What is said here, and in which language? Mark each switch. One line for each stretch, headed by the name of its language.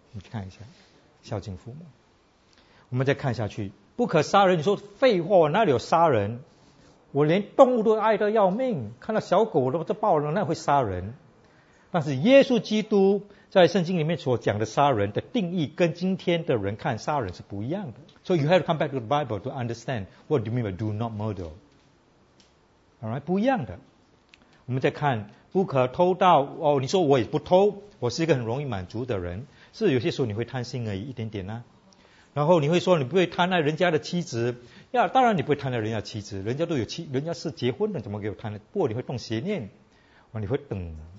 Chinese: 你看一下，孝敬父母。我们再看下去，不可杀人。你说废话，我哪里有杀人？我连动物都爱得要命，看到小狗都抱了，那会杀人？但是耶稣基督在圣经里面所讲的杀人的定义，跟今天的人看杀人是不一样的。
English: So you have to come back to the Bible to understand what do you mean by do not murder.
Chinese: Alright， 不一样的。我们再看，不可偷盗。哦，你说我也不偷，我是一个很容易满足的人。是有些时候你会贪心而已，一点点呢、啊。然后你会说你不会贪爱人家的妻子。呀，当然你不会贪爱人家的妻子，人家都有妻，人家是结婚的，怎么给我贪呢？不过你会动邪念，哦，你会等。